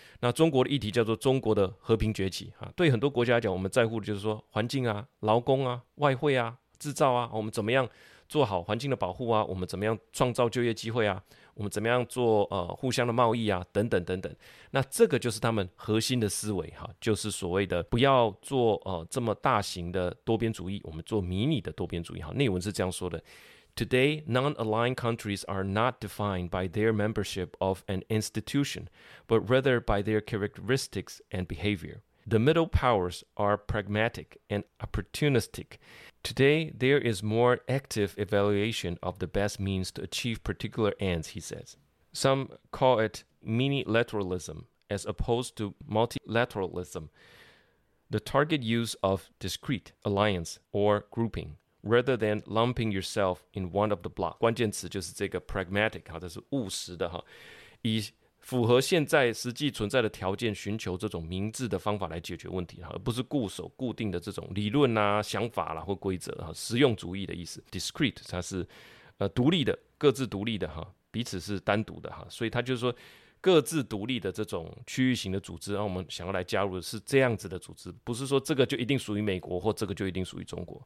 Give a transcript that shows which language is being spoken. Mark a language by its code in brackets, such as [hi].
[zh] 那中国的议题叫做中国的和平崛起，对很多国家来讲，我们在乎的就是说环境啊、劳工啊、外汇啊、制造啊，我们怎么样做好环境的保护啊，我们怎么样创造就业机会啊，我们怎么样做互相的贸易啊，等等等等。那这个就是他们核心的思维哈，就是所谓的不要做这么大型的多边主义，我们做迷你的多边主义哈。内文是这样说的 [en] ：Today, non-aligned countries are not defined by their membership of an institution, but rather by their characteristics and behavior. The middle powers are pragmatic and opportunistic. Today, there is more active evaluation of the best means to achieve particular ends, he says. Some call it mini-lateralism as opposed to multilateralism, the target use of discrete alliance or grouping, rather than lumping yourself in one of the blocks. [zh] 关键词就是这个 pragmatic, 这是务实的，以符合现在实际存在的条件寻求这种明智的方法来解决问题，而不是固守固定的这种理论啊、想法啦、或规则，实用主义的意思。 Discrete 它是独立的，各自独立的，彼此是单独的，所以它就是说各自独立的这种区域型的组织，我们想要来加入的是这样子的组织，不是说这个就一定属于美国或这个就一定属于中国。